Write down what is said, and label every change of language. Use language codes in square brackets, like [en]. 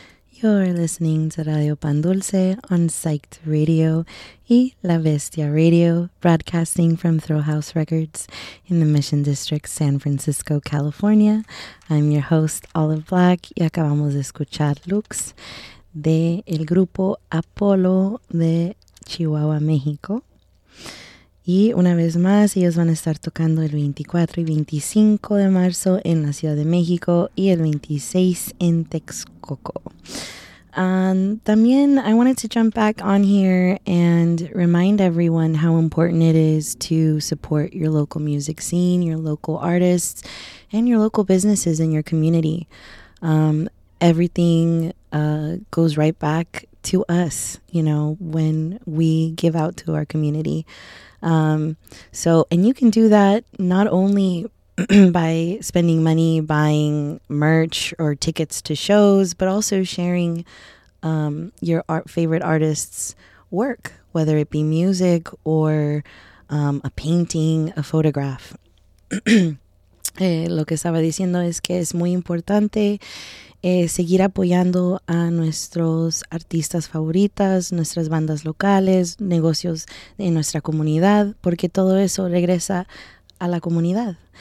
[en] You're listening to Radio Pan Dulce on Psyched Radio y La Bestia Radio, broadcasting from Throw House Records in the Mission District, San Francisco, California. I'm your host, [es] Olive Black, y acabamos de escuchar Lux de el grupo Apolo de Chihuahua, México. Y una vez más, ellos van a estar tocando el 24 y 25 de marzo en la Ciudad de México y el 26 en Texcoco. También, [en] I wanted to jump back on here and remind everyone how important it is to support your local music scene, your local artists, and your local businesses in your community. Everything goes right back to us, you know, when we give out to our community. And you can do that not only by spending money buying merch or tickets to shows, but also sharing your favorite artist's work, whether it be music or a painting, a photograph. [es] Lo que estaba diciendo es que es muy importante seguir apoyando a nuestros artistas favoritas, nuestras bandas locales, negocios en nuestra comunidad, porque todo eso regresa a la comunidad.